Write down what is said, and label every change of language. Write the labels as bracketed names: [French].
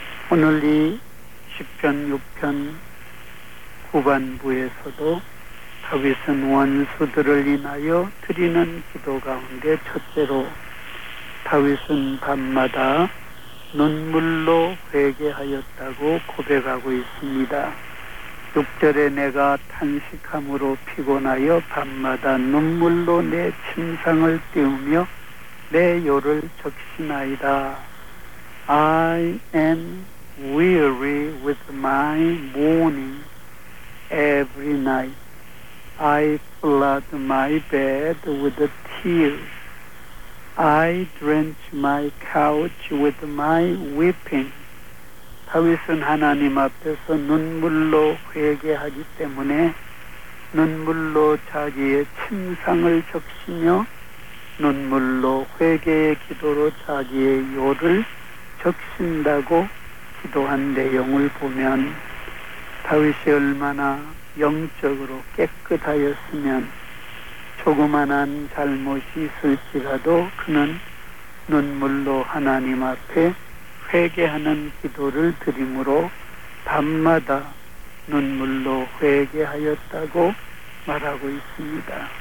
[Korean] 오늘 이 시편 6편 후반부에서도 다윗은 원수들을 인하여 드리는 기도 가운데 첫째로 다윗은 밤마다 눈물로 회개하였다고 고백하고 있습니다. 6절에 내가 탄식함으로 피곤하여 밤마다 눈물로 내 침상을 띄우며 내 요를 적시나이다. [English] I am weary with my mourning every night. I flood my bed with tears. I drench my couch with my weeping. [Korean] 다윗은 하나님 앞에서 눈물로 회개하기 때문에 눈물로 자기의 침상을 적시며 눈물로 회개의 기도로 자기의 요를 적신다고 기도한 내용을 보면 다윗이 얼마나 영적으로 깨끗하였으면 조그만한 잘못이 있을지라도 그는 눈물로 하나님 앞에 회개하는 기도를 드림으로 밤마다 눈물로 회개하였다고 말하고 있습니다.